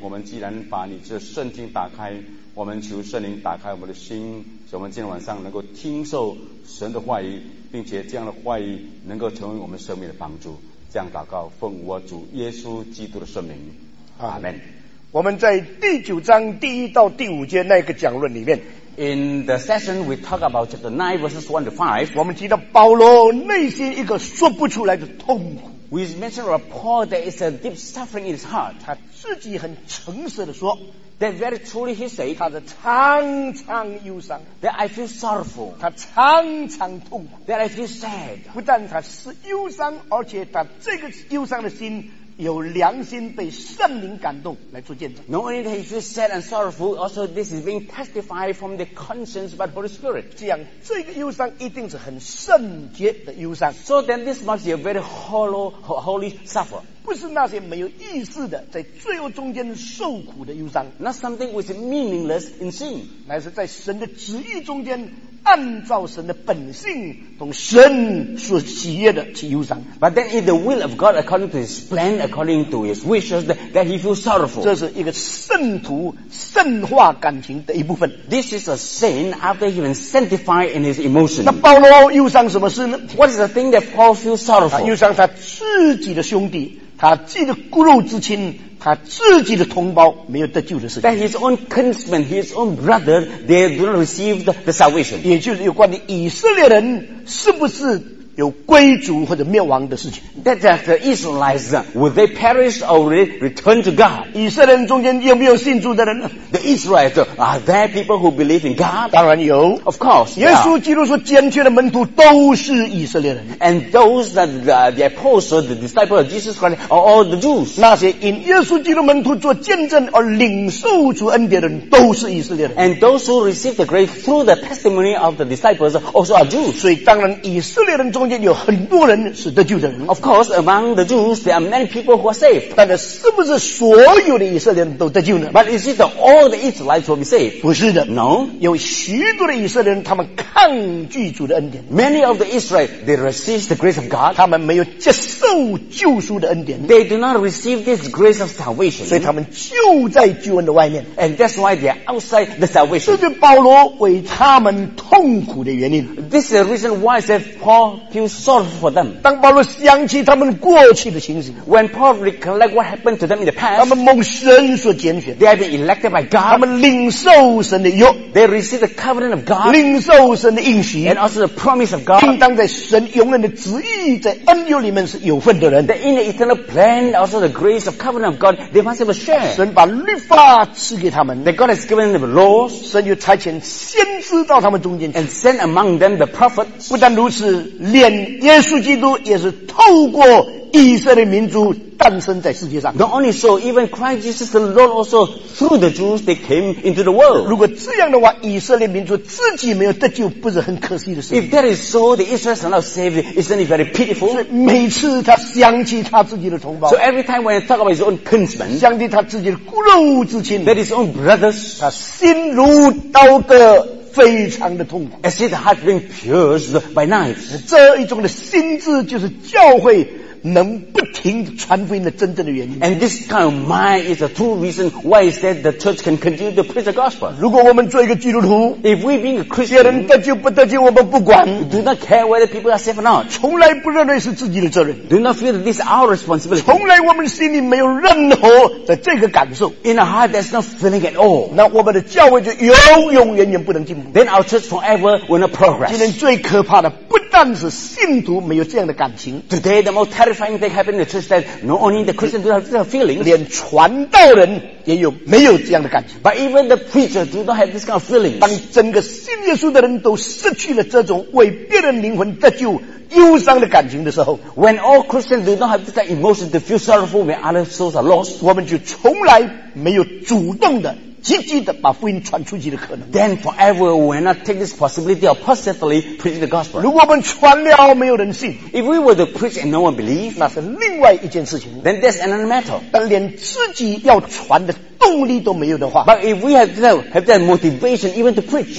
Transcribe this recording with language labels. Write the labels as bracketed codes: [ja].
[zh] 我们既然把你这圣经打开，我们求圣灵打开我们的心，使我们今天晚上能够听受神的话语，并且这样的话语能够成为我们生命的帮助。这样祷告奉我主耶稣基督的圣名，阿们。我们在第九章第一到第五节那个讲论里面， [en] In the session we talk about chapter 9 verses 1 to 5， [zh] 我们提到保罗内心一个说不出来的痛苦。 [en] We mentioned about Paul there is a deep suffering in his heart. [zh] 他自己很诚实地说 [en] that very truly he said, [zh] 他的常常忧伤 [en] that I feel sorrowful, [zh] 他常常痛苦 [en] that I feel sad. [zh] 不但他是忧伤，而且他这个忧伤的心有良心被圣灵感动来做见证。 [en] Not only that he feels sad and sorrowful, also this is being testified from the conscience by the Holy Spirit. [zh] 这样这个忧伤一定是很圣洁的忧伤。 [en] So then this must be a very holy suffer. [zh] 不是那些没有意思的在罪恶中间受苦的忧伤。 [en] Not something which is meaningless in sin. [zh] 乃是在神的旨意中间按照神的本性同神所喜悦的去忧伤。 [en] But then in the will of God, according to his plan, according to his wishes, that he feels sorrowful. [zh] 这是一个圣徒圣化感情的一部分。 [en] This is a sin after he was sanctified in his emotion. [zh] 那保罗忧伤什么事呢？ [en] What is the thing that Paul feels sorrowful? [zh] 他忧伤他自己的兄弟，他自己的骨肉之亲，他自己的同胞没有得救的事情。 [en] That his own kinsmen, his own brother, they do not receive the salvation. [zh] 也就是有关于以色列人是不是有归主或者灭亡的事情。 [en] That the Israelites, would they perish or return to God? [zh] 以色列人中间有没有信主的人呢？ [en] The Israelites, are there people who believe in God? [zh] 当然有。 [en] Of course. [zh] 耶稣基督说拣选的门徒都是以色列人。 [en] And those that the apostles, the disciples of Jesus Christ, are all the Jews. [zh] 那些因耶稣基督门徒做见证而领受主恩典的人都是以色列人。 [en] And those who receive the grace through the testimony of the disciples also are Jews. [zh] 所以当然以色列人中间有很多人是得救的人。 [en] Of course, among the Jews, there are many people who are saved. [zh] 但是是不是所有的以色列人都得救呢？ [en] But is it that all the Israelites will be saved? [zh] 不是的。 [en] No. [zh] 有许多的以色列人他们抗拒主的恩典。 [en] Many of the Israelites, they resist the grace of God. [zh] 他们没有接受救赎的恩典。 [en] They do not receive this grace of salvation. [zh] 所以他们就在救恩的外面。 [en] And that's why they are outside the salvation. [zh] 这是保罗为他们痛苦的原因。 [en] This is the reason why said Paul,feel sorry for them. [zh] 当保罗想起他们过去的情形， [en] When Paul recollect what happened to them in the past, [zh] 他们蒙神所拣选， [en] They have been elected by God. [zh] 他们领受神的约， [en] They receive the covenant of God. [zh] 领受神的应许， [en] And also the promise of God. [zh] 应当在神永远的旨意在恩典里面是有份的人。 [en] That in the eternal plan, also the grace of covenant of God, they must have a share. [zh] 神把律法赐给他们。 [en] That God has given them laws. [zh] 神又差遣先知到他们中间去。 [en] And send among them the prophets. [zh] 不但如此，连耶稣基督也是透过以色列民族诞生在世界上。 [en] Not only so, even Christ Jesus the Lord also through the Jews they came into the world. [zh] 如果这样的话，以色列民族自己没有得救，不是很可惜的事。 [en] If that is so, the Israelites are not saved, isn't it very pitiful? [zh] 所以每次他想起他自己的同胞。 [en] So every time when he talk about his own kinsmen, [zh] 想起他自己的骨肉之亲。 [en] That is his own brothers. [zh] 他心如刀割。非常的痛苦 [en] as his heart being pierced by knives [zh] 这一种的心智就是教会能不停传福音的真正的原因 [en] and this kind of mind is the true reason why is that the church can continue to preach the gospel [zh] 如果我们做一个基督徒 [en] if we being a Christian [zh] 别人得救不得救我们不管 [en] do not care whether people are safe or not [zh] 从来不认为是自己的责任 [en] do not feel that this is our responsibility [zh] 从来我们心里没有任何的这个感受 [en] in our heart there's no feeling at all [zh] 那我们的教会就永永远远不能进步 [en] then our church forever will not progress [zh] 今天最可怕的不但是信徒没有这样的感情 [en] today the most terrible Terrifying thing happened in the church that not only the Christians do not have feelings, [zh] 连传道人也有没有这样的感情。 [en] But even the preacher do not have this kind of feelings. [zh] 当整个信耶稣的人都失去了这种为别人灵魂得救忧伤的感情的时候 [en] ，When all Christians do not have this kind of emotion to feel sorrowful when other souls are lost, [zh] 我们就从来没有主动的。积极的把福音传出去的可能。 [en] Then forever we will not take this possibility of positively preaching the gospel. [zh] 如果我们传了没有人信 [en] ，If we were to preach and no one believe, [zh] 那是另外一件事情。 [en] Then that's another matter. [zh] 但连自己要传的动力都没有的话 [en] ，But if we have that motivation even to preach,